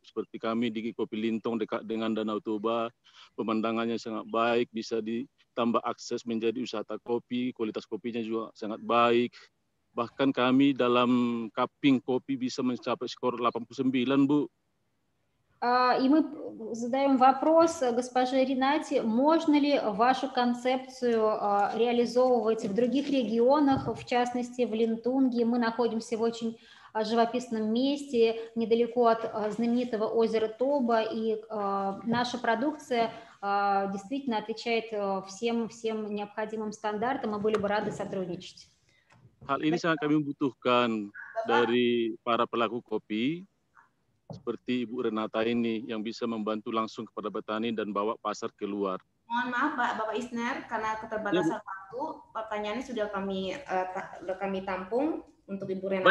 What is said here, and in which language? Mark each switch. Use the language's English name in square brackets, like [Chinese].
[Indonesian] Seperti kami di Kopi Lintong dekat dengan Danau Toba, pemandangannya sangat baik, bisa ditambah akses menjadi wisata kopi, kualitas kopinya juga sangat baik. Bahkan kami dalam cupping kopi bisa mencapai skor 89, Bu. [Russian] И мы задаем вопрос госпоже Ренате, можно ли вашу концепцию реализовывать в других регионах, в частности в Линтунге. Мы находимся в очень живописном месте, недалеко от знаменитого озера Тоба, и наша продукция действительно отвечает всем необходимым стандартам, мы были бы рады сотрудничать. [Indonesian] Hal ini sangat kami butuhkan dari para pelaku kopi. Seperti Ibu Renata ini yang bisa membantu langsung kepada petani dan bawa pasar keluar. Mohon maaf Pak, Bapak Isner, karena keterbatasan waktu, ya, pertanyaannya sudah kami tampung untuk Ibu Renata.